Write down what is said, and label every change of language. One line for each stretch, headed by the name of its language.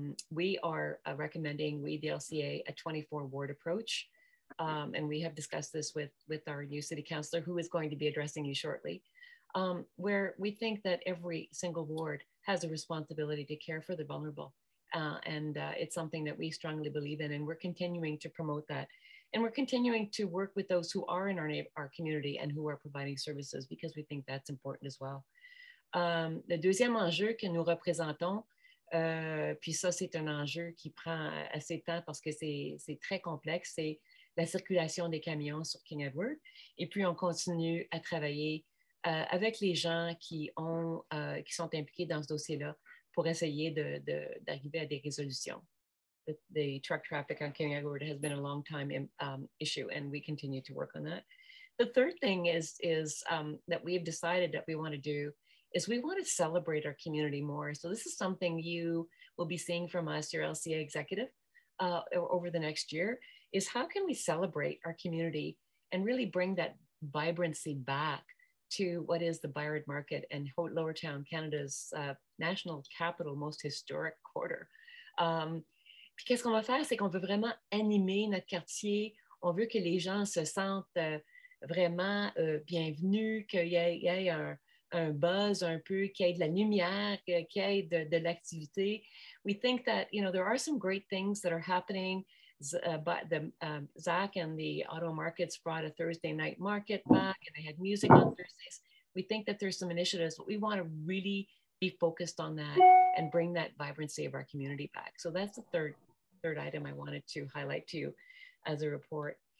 English: We are recommending, we the LCA, a 24-ward approach, and we have discussed this with our new city councilor, who is going to be addressing you shortly, where we think that every single ward has a responsibility to care for the vulnerable, and it's something that we strongly believe in, and we're continuing to promote that, and we're continuing to work with those who are in our community and who are providing services, because we think that's important as well.
French: Le deuxième enjeu que nous représentons, puis ça, c'est un enjeu qui prend assez de temps parce que c'est très complexe, c'est la circulation des camions sur King Edward. Et puis, on continue à travailler avec les gens qui sont impliqués dans ce dossier-là pour essayer d'arriver à des résolutions.
English: The truck traffic on King Edward has been a long time issue, and we continue to work on that. The third thing is that we have decided that we want to do is we want to celebrate our community more. So this is something you will be seeing from us, your LCA executive, over the next year, is how can we celebrate our community and really bring that vibrancy back to what is the Byward Market and Lower Town, Canada's national capital, most historic quarter.
French: Puis qu'est-ce qu'on va faire, c'est qu'on veut vraiment animer notre quartier. On veut que les gens se sentent vraiment bienvenus, qu'il y ait un buzz un peu, qu'il y ait de la lumière, qu'il y ait de l'activité.
English: We think that, you know, there are some great things that are happening. Zach and the auto markets brought a Thursday night market back, and they had music on Thursdays. We think that there's some initiatives, but we want to really be focused on that and bring that vibrancy of our community back. So that's the third item I wanted to highlight to you. as a report.